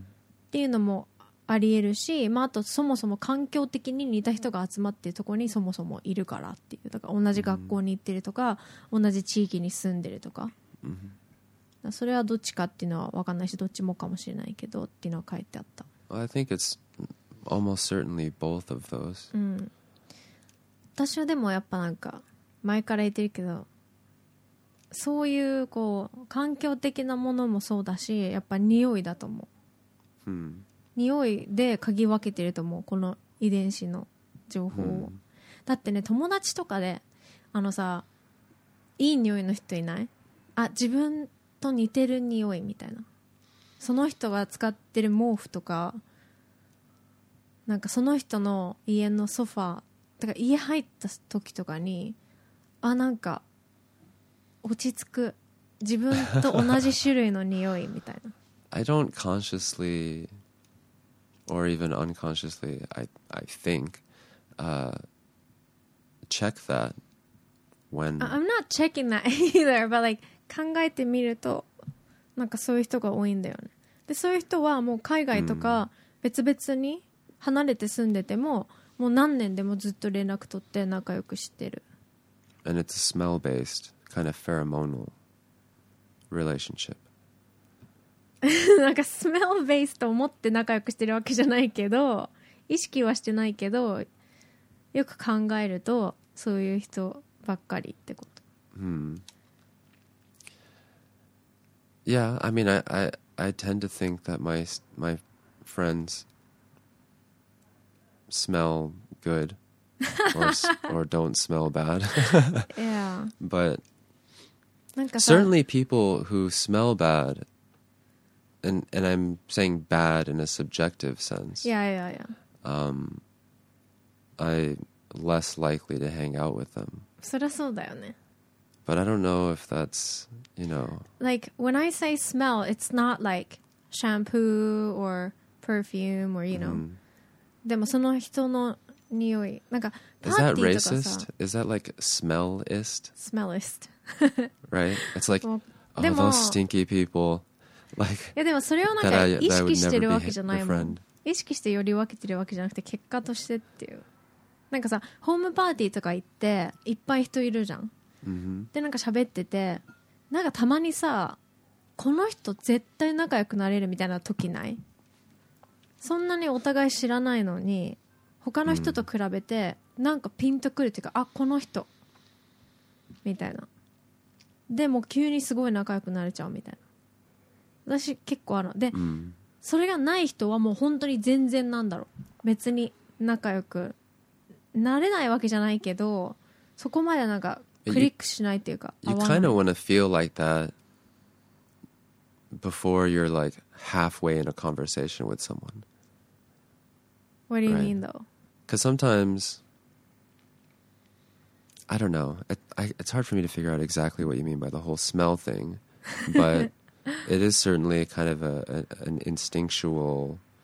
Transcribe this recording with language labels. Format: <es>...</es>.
<ja>っていうのもありえるし、まあ、あとそもそも環境的に似た人が集まっているところにそもそもいるからっていう、だから同じ学校に行ってるとか、うん、同じ地域に住んでるとか、うん、それはどっちかっていうのは分かんないし、どっちもかもしれないけどっていうのは書いてあった。</ja> <en>I think it's almost certainly both of those、</en> <ja>うん、私はでもやっぱなんか前から言ってるけど、そういうこう環境的なものもそうだし、やっぱ匂いだと思う、うん、匂いで嗅ぎ分けてると思う、この遺伝子の情報を、うん、だってね、友達とかであのさ、いい匂いの人いない？あ、自分と似てる匂いみたいな、その人が使ってる毛布とか、なんかその人の家のソファーだから、家入った時とかに、あ、なんか落ち着く、自分と同じ種類の匂いみたいな。</ja> <en>I don't consciouslyOr even unconsciously, I think, check that when... I'm not checking that either, but like,</en> <ja>考えてみると、なんかそういう人が多いんだよね。で、そういう人はもう海外とか別々に離れて住んでても、もう何年でもずっと連絡取って仲良くしてる。</ja> <en>And it's a smell-based, kind of pheromonal relationship.</en> <ja>なんかスメルベースと思って仲良くしてるわけじゃないけど、意識はしてないけど、よく考えるとそういう人ばっかりってこと。 Hmm.</ja> <en>Yeah, I mean, I tend to think that my friends smell good or don't smell bad. yeah. But certainly people who smell badAnd I'm saying bad in a subjective sense. Yeah, yeah, yeah. I'm less likely to hang out with them.</en> <ja>そりゃそうだよね。</ja> <en>But I don't know if that's, you know... Like, when I say smell, it's not like shampoo or perfume or, you know...、Mm.</en> <ja>でもその人の匂い。なんかパーティーとかさ。</ja> <en>Is that racist? Is that like smell-ist? Smell-ist. right? It's like, oh, those stinky people... Like,</en> <ja>いやでもそれをなんか意識してるわけじゃないもん。意識してより分けてるわけじゃなくて、結果としてっていう。なんかさ、ホームパーティーとか行っていっぱい人いるじゃん、 mm-hmm. でなんか喋ってて、なんかたまにさ、この人絶対仲良くなれるみたいな時ない？そんなにお互い知らないのに、他の人と比べてなんかピンとくるっていうか、あ、この人みたいな、でも急にすごい仲良くなれちゃうみたいな、私結構あるので、うん、それがない人はもう本当に全然、なんだろう、別に仲良くなれないわけじゃないけど、そこまでなんかクリックしないっていうか、</ja> <en>You kind of want to feel like that before you're like halfway in a conversation with someone. What do you、right? mean though? Because sometimes I don't know, it's hard for me to figure out exactly what you mean by the whole smell thing, but It is certainly kind of an instinctual.</en>